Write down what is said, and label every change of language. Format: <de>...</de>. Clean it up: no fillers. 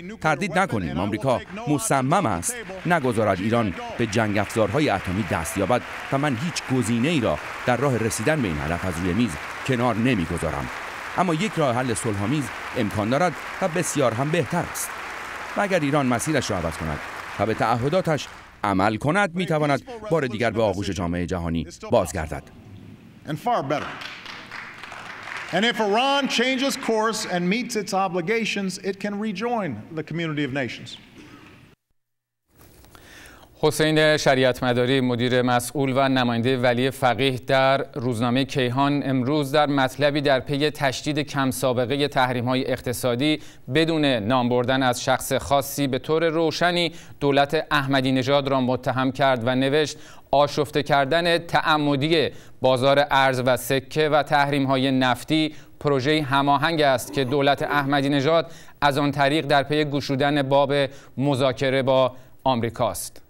<fa>تردید نکنیم، آمریکا مصمم است نگذارد ایران به جنگ افزارهای اتمی دست یابد و من هیچ گزینه‌ای را در راه رسیدن به این هدف از روی میز کنار نمی‌گذارم. اما یک راه حل صلح‌آمیز امکان دارد و بسیار هم بهتر است. اگر ایران مسیرش را عوض کند و به تعهداتش عمل کند، می‌تواند بار دیگر به آغوش جامعه جهانی بازگردد.</fa> <en>And if Iran changes course and meets its obligations, it can rejoin the community of nations.</en> <fa>حسین شریعت‌مداری، مدیر مسئول و نماینده ولی فقیه در روزنامه کیهان امروز در مطلبی در پی تشدید کم سابقه تحریم‌های اقتصادی بدون نام بردن از شخص خاصی به طور روشنی دولت احمدی نژاد را متهم کرد و نوشت آشفته کردن تعمدی بازار ارز و سکه و تحریم‌های نفتی پروژه هماهنگ است که دولت احمدی نژاد از آن طریق در پی گشودن باب مذاکره با آمریکاست.</fa>